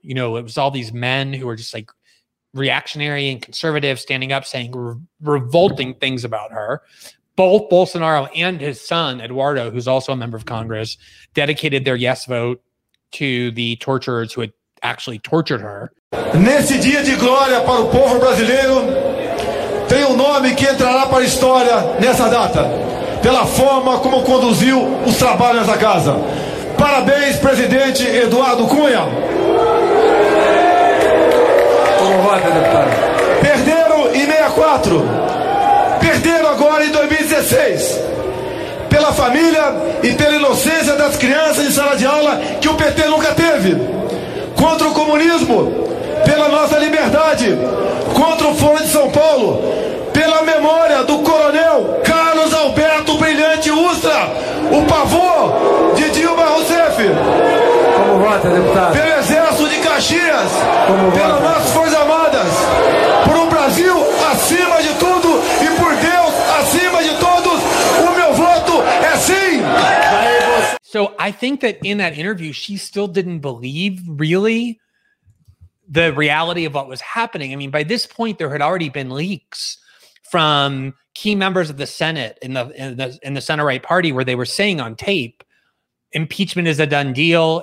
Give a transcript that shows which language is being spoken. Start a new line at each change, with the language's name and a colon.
English: You know, it was all these men who were just like reactionary and conservative standing up saying revolting things about her. Both Bolsonaro and his son, Eduardo, who's also a member of Congress, dedicated their yes vote to the torturers who had actually tortured her.
Portuguese: Nesse dia de glória para o povo brasileiro, tem nome que entrará para a história nessa data, pela forma como conduziu os trabalhos nessa casa. Parabéns, presidente Eduardo Cunha. Como vai, deputado? Perderam em 64. Perderam agora em 2016. Pela família e pela inocência das crianças em sala de aula que o PT nunca teve. Contra o comunismo, pela nossa liberdade. Contra o Foro de São Paulo, pela memória do coronel Carlos Alberto Brilhante Ustra, o pavor de Dilma Rousseff. Como vota, deputado. Pelo exército de Caxias, como pelas vota, nossas forças armadas, por um Brasil acima de tudo e por Deus acima de todos, o meu voto é sim.
English: So I think that in that interview, she still didn't believe really the reality of what was happening. I mean, by this point, there had already been leaks from key members of the Senate in the center-right party where they were saying on tape, impeachment is a done deal.